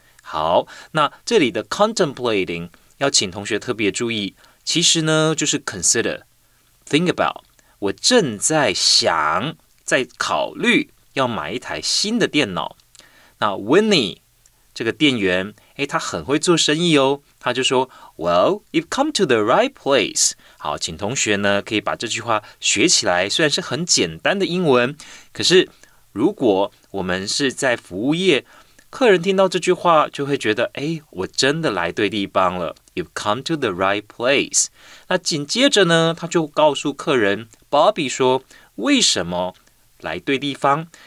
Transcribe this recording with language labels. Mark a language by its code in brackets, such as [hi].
[zh] 好，那这里的 contemplating 要请同学特别注意，其实呢就是 consider。 [en] Think about, [zh] 我正在想，在考虑要买一台新的电脑。那 Winnie 这个店员，他很会做生意哦。他就说 [en] Well, you've come to the right place. [zh] 好，请同学呢可以把这句话学起来，虽然是很简单的英文，可是如果我们是在服务业，客人听到这句话就会觉得，哎，我真的来对地方了。 [en] You've come to the right place. [zh] 那紧接着呢，他就告诉客人 Bobby 说，为什么来对地方？